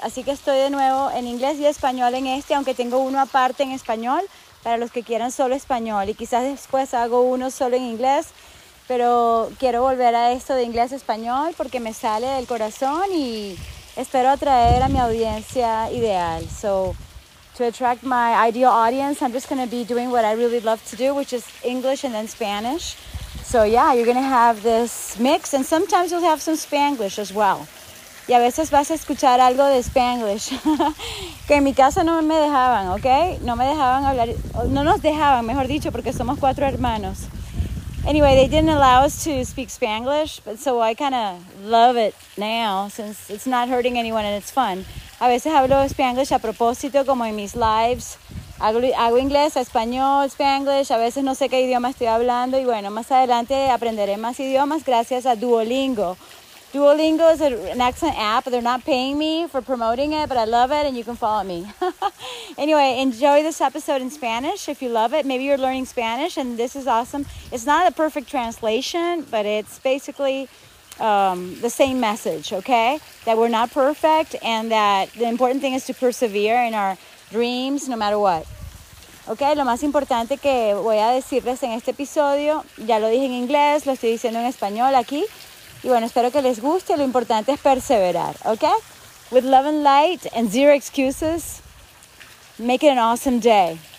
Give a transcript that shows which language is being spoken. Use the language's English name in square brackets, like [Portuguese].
[Spanish] Así que estoy de nuevo en inglés y español en este, aunque tengo uno aparte en español para los que quieran solo español. Y quizás después hago uno solo en inglés, pero quiero volver a esto de inglés-español porque me sale del corazón y espero atraer a mi audiencia ideal. [English] So, to attract my ideal audience, I'm just going to be doing what I really love to do, which is English and then Spanish. So, yeah, you're going to have this mix, and sometimes you'll have some Spanglish as well. [Spanish] Y a veces vas a escuchar algo de Spanglish. Que en mi casa no me dejaban, ¿ok? No me dejaban hablar, no nos dejaban, mejor dicho, porque somos cuatro hermanos. [English] Anyway, they didn't allow us to speak Spanglish, but so I kind of love it now since it's not hurting anyone and it's fun. [Spanish] A veces hablo Spanglish a propósito, como en mis lives. Hago inglés, español, Spanglish. A veces no sé qué idioma estoy hablando. Y bueno, más adelante aprenderé más idiomas gracias a Duolingo. [English] Duolingo is an excellent app. They're not paying me for promoting it, but I love it and you can follow me. Anyway, enjoy this episode in Spanish if you love it. Maybe you're learning Spanish and this is awesome. It's not a perfect translation, but it's basically the same message, okay? That we're not perfect and that the important thing is to persevere in our dreams no matter what. [Spanish] Okay, lo más importante que voy a decirles en este episodio, ya lo dije en inglés, lo estoy diciendo en español aquí. Y bueno, espero que les guste. Lo importante es perseverar, okay? [English] With love and light and zero excuses, make it an awesome day.